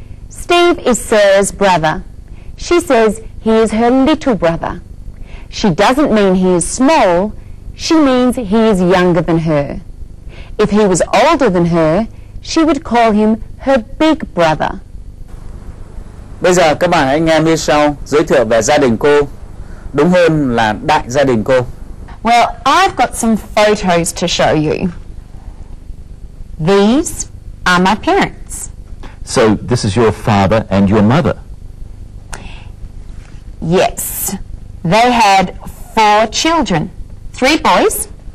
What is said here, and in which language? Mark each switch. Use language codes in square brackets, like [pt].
[en] Steve is Sarah's brother. She says he is her little brother. She doesn't mean he is small. She means he is younger than her. If he was older than her, She would call him her big brother. [vi] Bây giờ các bạn hãy nghe Michelle giới thiệu về gia đình cô, đúng hơn là đại gia đình cô. [en] Well, I've got some photos to show you. These are my parents. So this is your father and your mother? Yes. They had four children, three boys.